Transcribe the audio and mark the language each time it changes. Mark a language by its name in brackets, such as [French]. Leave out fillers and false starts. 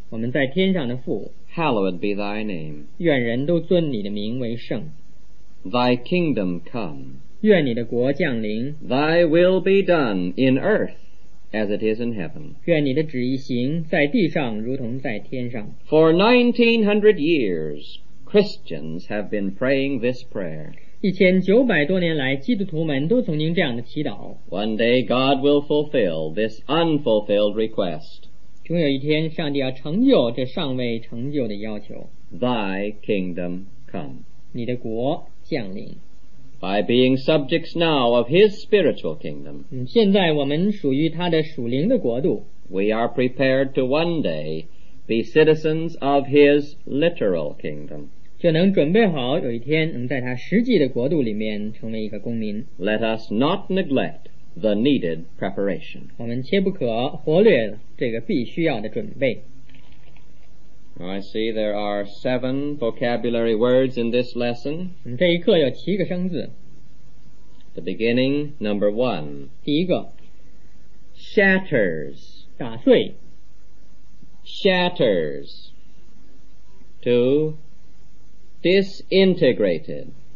[Chinese] 我们在天上的父 [English] Hallowed be thy name, [Chinese] 愿人都尊你的名为圣 [English] Thy kingdom come, [Chinese] 愿你的国降临 [English] Thy will be done in earth as it is in heaven, [Chinese] 愿你的旨意行在地上如同在天上 [English] For 1900 years, Christians have been praying this prayer. [Chinese] 1900多年来基督徒们都曾经这样的祈祷 [English] One day God will fulfill this unfulfilled request [Chinese] 终有一天上帝要成就这尚未成就的要求 [English] Thy kingdom come [Chinese] 你的国降临 [English] By being subjects now of his spiritual kingdom [Chinese] 现在我们属于他的属灵的国度 [English] We are prepared to one day be citizens of his literal kingdom [Chinese] 就能准备好有一天能在他实际的国度里面成为一个公民 [English] Let us not neglect the needed preparation [Chinese] 我们切不可忽略这个必须要的准备 [English] I see there are 7 vocabulary words in this lesson [Chinese] 这一课有七个生字 [English] The beginning, number 1 [Chinese] 第一个 [English] Shatters [Chinese] 打碎 [English] Shatters 2Disintegrated